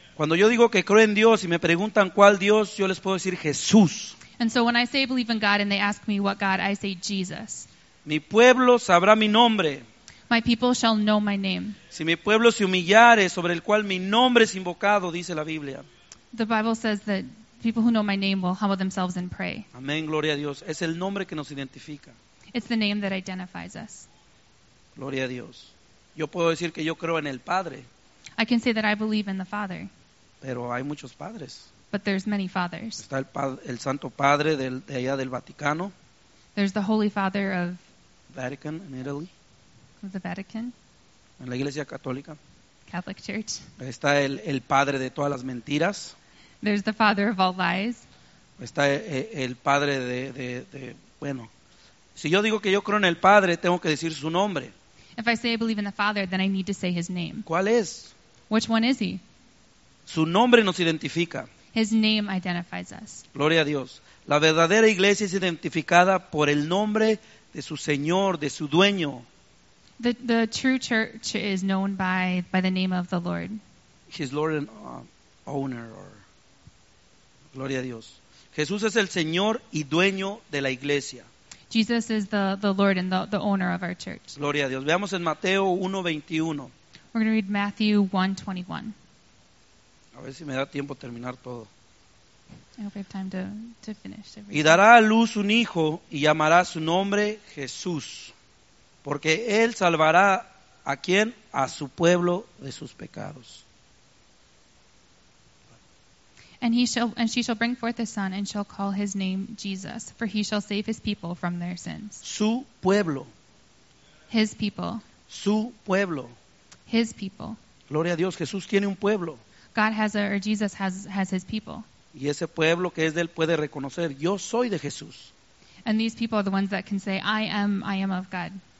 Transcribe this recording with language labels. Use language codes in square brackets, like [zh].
[es] Cuando yo digo que creo en Dios y me preguntan cuál Dios, yo les puedo decir Jesús. [en] And so when I say I believe in God and they ask me what God, I say Jesus. [es] Mi pueblo sabrá mi nombre. [en] My people shall know my name. [es] Si mi pueblo se humillare, sobre el cual mi nombre es invocado, dice la Biblia. [en] The Bible says that people who know my name will humble themselves and pray. [es] Amén, gloria a Dios. Es el nombre que nos identifica. [en] It's the name that identifies us. [es] Gloria a Dios. Yo puedo decir que yo creo en el Padre. [en] I can say that I believe in the Father. [es] Pero hay muchos padres. [en] But there's many fathers. [es] Está el Santo Padre de allá del Vaticano. [en] There's the Holy Father of Vatican in Italy. Of the Vatican. [es] En la Iglesia Católica. [en] Catholic Church. [es] Está el Padre de todas las mentiras. [en] There's the Father of all lies. [es] Está el Padre de bueno. Si yo digo que yo creo en el Padre, tengo que decir su nombre. [en] If I say I believe in the Father, then I need to say his name. [es] ¿Cuál es? [en] Which one is he? [es] Su nombre nos identifica. [en] His name identifies us. [es] Gloria a Dios. La verdadera iglesia es identificada por el nombre de su Señor, de su dueño. [en] The true church is known by the name of the Lord. His Lord and owner. [es] Gloria a Dios. Jesús es el Señor y dueño de la iglesia. [en] Jesus is the Lord and the owner of our church. [es] Gloria a Dios. Veamos en Mateo 1:21. [en] We're going to read Matthew 1:21. [es] A ver si me da tiempo terminar todo. [en] I hope we have time to finish everything. [es] Y dará a luz un hijo y llamará su nombre Jesús. Porque él salvará a quién? A su pueblo de sus pecados. [en] And she shall bring forth a son and shall call his name Jesus, for he shall save his people from their sins. [es] Su pueblo. [en] His people. [es] Su pueblo. [en] His people. [es] Gloria a Dios, Jesús tiene un pueblo. [en] God has a, or Jesus has his people. [es] Y ese pueblo que es de él puede reconocer, yo soy de Jesús. [en] And these people are the ones that can say, I am of God.